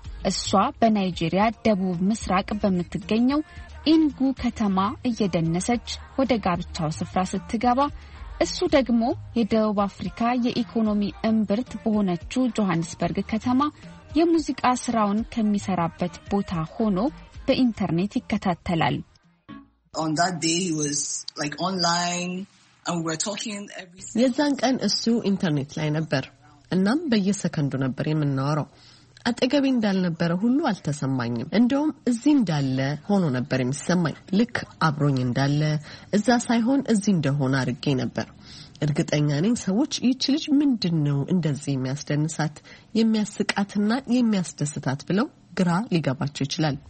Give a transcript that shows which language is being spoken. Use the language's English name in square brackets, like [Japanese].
[Amharic] እሷ በናይጄሪያ ደቡብ ምስራቅ በምትገኘው ኢንጉ ከተማ እየደነሰች ወደ ጋብቻው ስፍራ ስትገባ፣ እሱ ደግሞ የደቡብ አፍሪካ የኢኮኖሚ እምብርት በሆነችው ጆሃንስበርግ ከተማ የሙዚቃ ስራውን ከሚሰራበት ቦታ ሆኖ በኢንተርኔት ይከታተላል። [English] On that day he was like online and we're talking every second. [Amharic] የዛን ቀን እሱ ኢንተርኔት ላይ ነበር እናም በየሰከንዱ ነበር የምናወራው። አጠገቤ እንዳልነበረ ሁሉ አልተሰማኝም። እንደውም እዚህ እንዳለ ሆኖ ነበር የሚሰማኝ። ልክ አብሮኝ እንዳለ እዛ ሳይሆን እዚህ እንደሆነ አርጌ ነበር። እርግጠኛ ነኝ ሰዎች ይህች ልጅ ምንድነው እንደዚህ የሚያስደንሳት የሚያስቃትና የሚያስደስታት ብለው ግራ ሊገባቸው ይችላል።